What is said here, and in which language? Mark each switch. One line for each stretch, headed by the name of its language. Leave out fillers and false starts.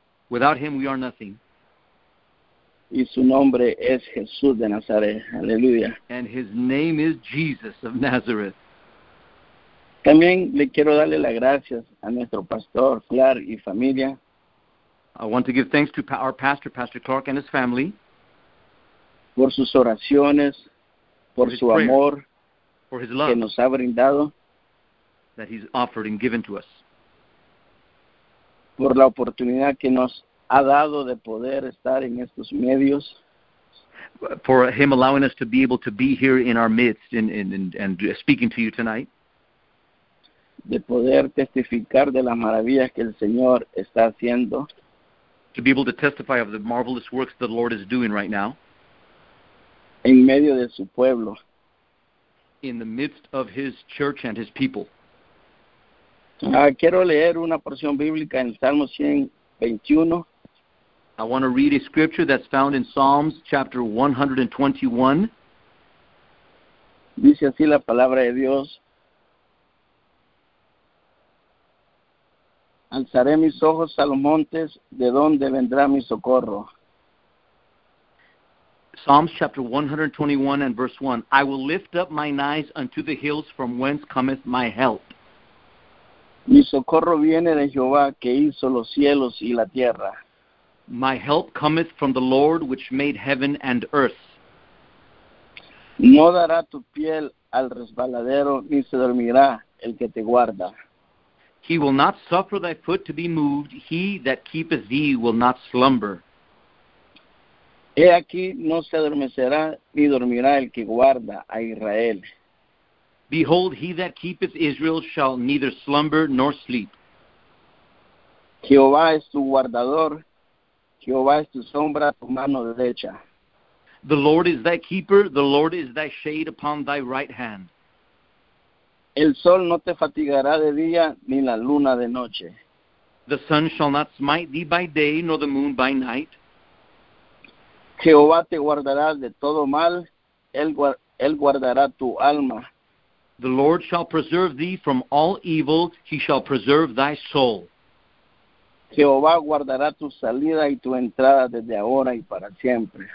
English: Without Him we are nothing.
Spanish: Y su nombre es Jesús de Nazaret. Aleluya.
English: And His name is Jesus of Nazareth.
Spanish: También le quiero darle las gracias a nuestro pastor, Clark, y familia.
English: I want to give thanks to our pastor, Pastor Clark, and his family.
Spanish: Por sus oraciones, por
English: his
Spanish: su
English: prayer,
Spanish: amor,
English: for his love,
Spanish: que nos ha brindado.
English: That he's offered and given to us.
Spanish: Por la oportunidad que nos ha dado de poder estar en estos medios.
English: For him allowing us to be able to be here in our midst and speaking to you tonight.
Spanish: De poder testificar de las maravillas que el Señor está haciendo.
English: To be able to testify of the marvelous works that the Lord is doing right now.
Spanish: En medio de su pueblo.
English: In the midst of his church and his people.
Spanish: Quiero leer una porción bíblica en Salmo 121.
English: I want to read a scripture that's found in Psalms chapter 121.
Spanish: Dice así la palabra de Dios. Alzaré mis ojos a los montes, ¿de dónde vendrá mi socorro?
English: Psalms chapter 121 and verse 1. I will lift up mine eyes unto the hills, from whence cometh my help.
Spanish: Mi socorro viene de Jehová, que hizo los cielos y la tierra.
English: My help cometh from the Lord, which made heaven and earth.
Spanish: No dará tu piel al resbaladero, ni se dormirá el que te guarda.
English: He will not suffer thy foot to be moved. He that keepeth thee will not slumber.
Spanish: He aquí, no se adormecerá ni dormirá el que guarda a Israel.
English: Behold, he that keepeth Israel shall neither slumber nor sleep.
Spanish: Jehová es tu guardador. Jehová es tu sombra, tu mano derecha.
English: The Lord is thy keeper. The Lord is thy shade upon thy right hand.
Spanish: El sol no te fatigará de día, ni la luna de noche.
English: The sun shall not smite thee by day, nor the moon by night.
Spanish: Jehová te guardará de todo mal, Él guardará tu alma.
English: The Lord shall preserve thee from all evil, He shall preserve thy soul.
Spanish: Jehová guardará tu salida y tu entrada desde ahora y para siempre.